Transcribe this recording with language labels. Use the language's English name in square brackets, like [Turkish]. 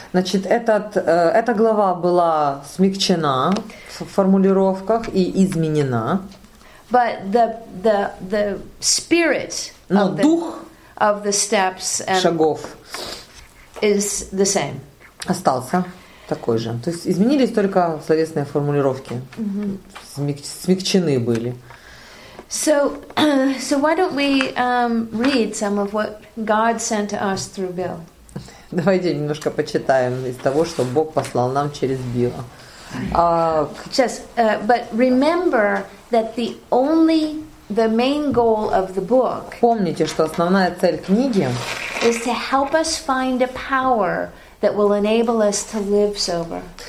[Russian] Значит, эта глава была смягчена в формулировках и изменена. [English] But the spirit. [Russian] Но дух [English] of the steps and [Russian] шагов [English] is the same. [Russian] Остался такой же. То есть изменились только словесные формулировки. Смягчены были. [English] So why don't we read some of what God sent to us through Bill? [Russian] Давайте немножко почитаем из того, что Бог послал нам через Билла. [English] But remember that the only... The main goal of the book. [Russian] Помните, что основная цель книги [English] is to help us find a power that will enable us to live sober.